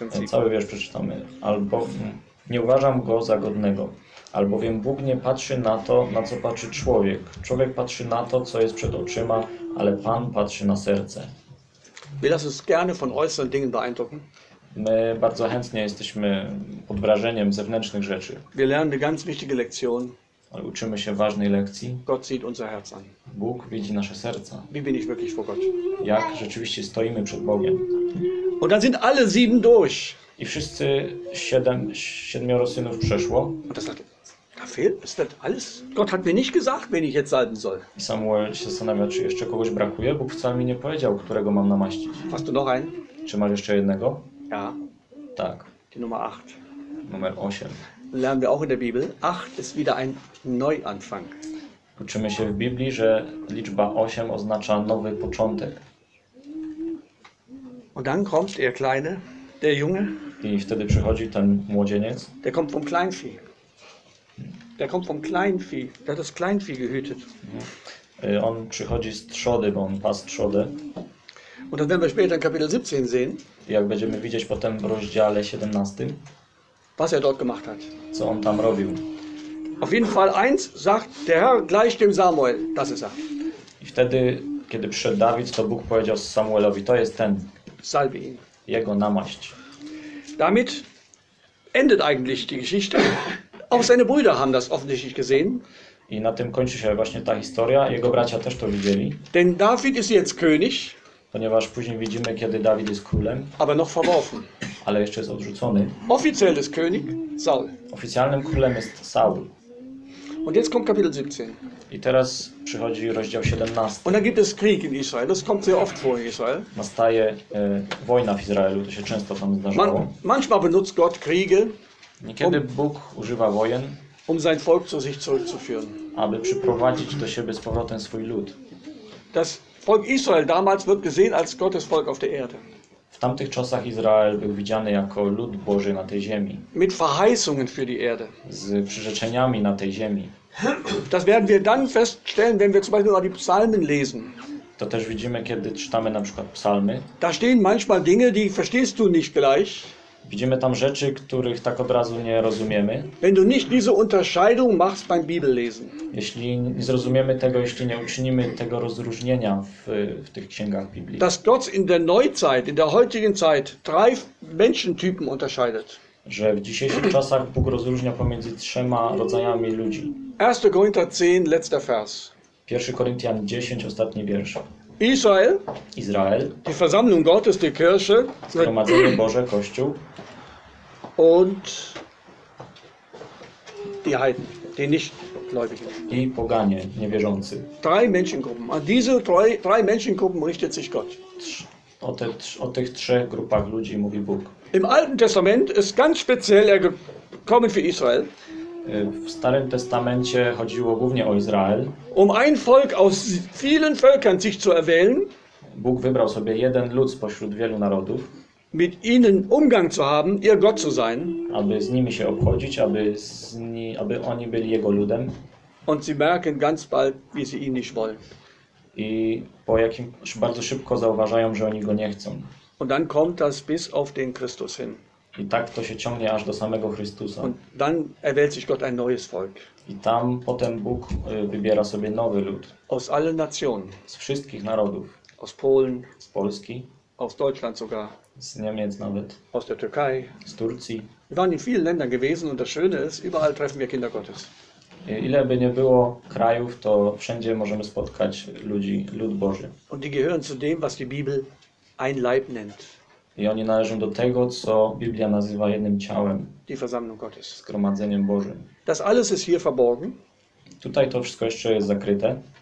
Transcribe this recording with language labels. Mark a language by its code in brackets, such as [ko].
[pl] Cały wiersz przeczytamy. Albo nie uważam go za godnego. Albowiem Bóg nie patrzy na to, na co patrzy człowiek. Człowiek patrzy na to, co jest przed oczyma, ale Pan patrzy na serce. [de] Wir lassen uns gerne von äußeren Dingen beeindrucken. [pl] My bardzo chętnie jesteśmy pod wrażeniem zewnętrznych rzeczy. [de] Wir lernen eine ganz wichtige Lektion. [pl] Ale uczymy się ważnej lekcji. [de] Gott sieht unser Herz an. [pl] Bóg widzi nasze serca. [de] Wie bin ich wirklich vor Gott? [pl] Jak rzeczywiście stoimy przed Bogiem. [de] Und dann sind alle sieben durch. [pl] I wszyscy siedmioro synów przeszło. [de] Und das sagte, da fehlt es wird alles. Gott hat mir nicht gesagt, wen ich jetzt salben soll. [pl] I Samuel się zastanawia, czy jeszcze kogoś brakuje. Bóg wcale mi nie powiedział, którego mam namaścić. [de] Hast du noch einen? [pl] Czy masz jeszcze jednego? [de] Ja. [pl] Tak. [de] Die Nummer 8. [pl] Numer 8. [de] Lernen wir auch in der Bibel. 8 ist wieder ein Neuanfang. [pl] Uczymy się w Biblii, że liczba 8 oznacza nowy początek. [de] Und dann kommt der Kleine, der Junge. [pl] I wtedy przychodzi ten młodzieniec. [de] Der kommt vom Kleinvieh. Der kommt vom Kleinvieh. Der hat das Kleinvieh gehütet. [pl] On przychodzi z trzody, bo on pas trzody. [de] Und dann werden wir später in Kapitel 17 sehen. [pl] Jak będziemy widzieć potem w rozdziale 17. [de] Was er dort gemacht hat. [pl] Co on tam robił. [de] Auf jeden Fall eins sagt der Herr gleich dem Samuel, das ist er. [pl] I wtedy, kiedy przyszedł Dawid, to Bóg powiedział Samuelowi, to jest ten. [de] Salbe ihn. [pl] Jego namaść. [de] Damit endet eigentlich die Geschichte. Auch seine Brüder haben das offensichtlich gesehen. [pl] I na tym kończy się właśnie ta historia. Jego bracia też to widzieli. [de] Denn David ist jetzt König. [pl] Ponieważ później widzimy, kiedy Dawid jest królem. [de] Aber noch verworfen. [pl] Ale jeszcze jest odrzucony. [de] Offiziell ist König Saul. [pl] Oficjalnym królem jest Saul. [de] Und jetzt kommt Kapitel 17. [pl] I teraz przychodzi rozdział 17. [de] Und dann gibt es Krieg in Israel. Das kommt sehr oft vor in Israel. [pl] Nastaje wojna w Izraelu. To się często tam zdarzało. [de] Manchmal benutzt Gott Kriege. [pl] Niekiedy Bóg używa wojen. [de] Um sein Volk zu sich zurückzuführen. [pl] Aby przyprowadzić do siebie z powrotem swój lud. [de] Das Volk Israel damals wird gesehen als Gottes Volk auf der Erde. [pl] W tamtych czasach Izrael był widziany jako lud Boży na tej ziemi. [de] Mit Verheißungen für die Erde. [pl] Z przyrzeczeniami na tej ziemi. [de] Das werden wir dann feststellen, wenn wir zum Beispiel mal die Psalmen lesen. [pl] To też widzimy, kiedy czytamy na przykład psalmy. [de] Da stehen manchmal Dinge, die verstehst du nicht gleich. [pl] Widzimy tam rzeczy, których tak od razu nie rozumiemy. [de] Wenn du nicht diese Unterscheidung machst beim Bibellesen. [pl] Jeśli nie zrozumiemy tego, jeśli nie uczynimy tego rozróżnienia w tych księgach Biblii. [de] Dass Gott in der Neuzeit, in der heutigen Zeit, drei Menschentypen unterscheidet. [pl] Że w dzisiejszych czasach Bóg rozróżnia pomiędzy trzema rodzajami ludzi. [de] 1. Korinther 10, letzter Vers. [pl] 1. Koryntian 10, ostatni wiersz. [de] Israel, [pl] Izrael, [de] die Versammlung Gottes, die Kirche, [pl] Zgromadzenie Boże, Kościół, [de] und die Heiden, die Nichtgläubigen. [pl] I poganie, niewierzący. [de] Drei Menschengruppen. An diese drei Menschengruppen richtet sich Gott. [pl] O tych trzech grupach ludzi mówi Bóg. [de] Im Alten Testament ist ganz speziell er gekommen für Israel. [pl] W Starym Testamencie chodziło głównie o Izrael. [de] Um ein Volk aus vielen Völkern sich zu erwählen. [pl] Bóg wybrał sobie jeden lud spośród wielu narodów. [de] Mit ihnen Umgang zu haben, ihr Gott zu sein. [pl] Aby z nimi się obchodzić, aby oni byli jego ludem. [de] Und sie merken ganz bald, wie sie ihn nicht wollen. [pl] I po jakim bardzo szybko zauważają, że oni go nie chcą. [de] Und dann kommt das bis auf den Christus hin. [pl] I tak to się ciągnie aż do samego Chrystusa. [de] Und dann erwählt sich Gott ein neues Volk. [pl] I tam potem Bóg wybiera sobie nowy lud. [de] Aus allen Nationen. [pl] Z wszystkich narodów. [de] Aus Polen. [pl] Z Polski. [de] Aus Deutschland sogar. [pl] Z Niemiec nawet. [de] Aus der Türkei. [pl] Z Turcji. [de] Wir waren in vielen Ländern gewesen und das Schöne ist, überall treffen wir Kinder Gottes. [pl] Ile by nie było krajów, to wszędzie możemy spotkać ludzi, lud Boży. [de] Und die gehören zu dem, was die Bibel ein Leib nennt. [pl] I oni należą do tego, co Biblia nazywa jednym ciałem. [de] Die Versammlung Gottes. [pl] Zgromadzeniem Bożym. [de] Das alles ist hier verborgen. [pl] Tutaj to wszystko jeszcze jest zakryte.